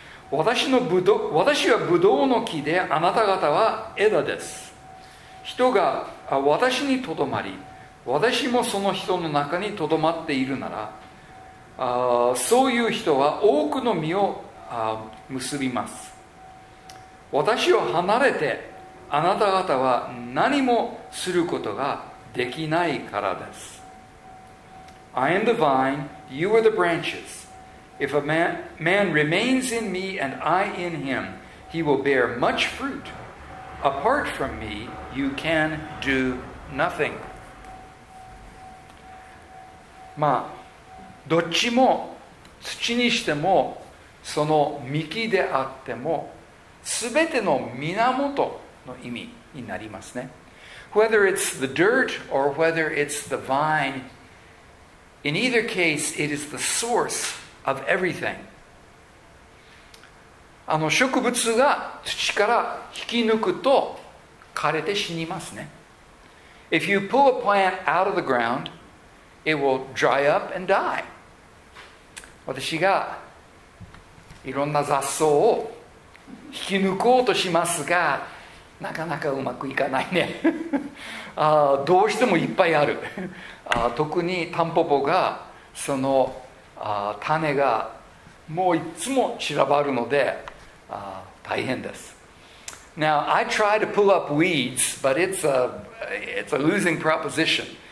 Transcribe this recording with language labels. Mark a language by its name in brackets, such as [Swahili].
[Japanese] 私はブドウの木であなた方は枝です人が私にとどまり私もその人の中にとどまっているならそういう人は多くの実を結びます私を離れてあなた方は何もすることができないからです [English] I am the vine, you are the branches. If a man remains in me and I in him, he will bear much fruit. Apart from me, you can do nothing. [Japanese] まあ、どっちも土にしても、その幹であっても、すべての源の意味になりますね。 [English] Whether it's the dirt or whether it's the vine,In either case, it is the source of everything. [Japanese] あの植物が土から引き抜くと枯れて死にますね。 [English] If you pull a plant out of the ground, it will dry up and die. [Japanese] 私がいろんな雑草を引き抜こうとしますが、なかなかうまくいかないね。どうしてもいっぱいある。特にタンポポがその種がもういつも散らばるので大変です。 [English] Now I try to pull up weeds, but it's a losing proposition.